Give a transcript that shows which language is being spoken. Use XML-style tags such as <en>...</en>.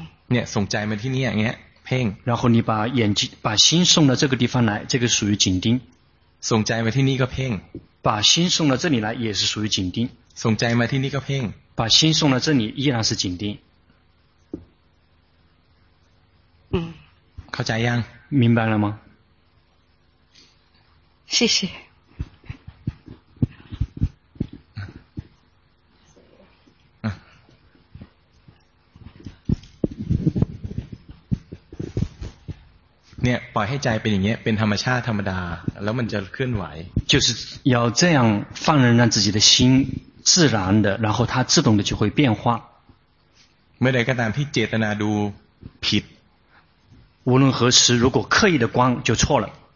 <th>เนี่ยส่งใจมาที่นี่อย่างเงี้ยเพ่ง</th> <zh>然后你把眼睛把心送到这个地方来这个属于紧盯</zh> <th>ส่งใจมาที่นี่ก็เพ่ง</th> <zh>把心送到这里来也是属于紧盯</zh> <th>ส่งใจมาที่นี่ก็เพ่ง</th> <zh>把心送到这里依然是紧盯</zh> <th>เข้าใจยัง</th> <zh>明白了吗谢谢</zh> <th>เนี่ยปล่อยให้ใจเป็นอย่างเงี้ยเป็นธรรมชาติธรรมดาแล้วมันจะเคลื่อนไหว</th> <zh>就是要这样放任让自己的心自然的然后它自动的就会变化</zh> <th>เมื่อใดก็ตามที่เจตนาดูผิด</th> <zh>无论何时如果刻意的观就错了</zh>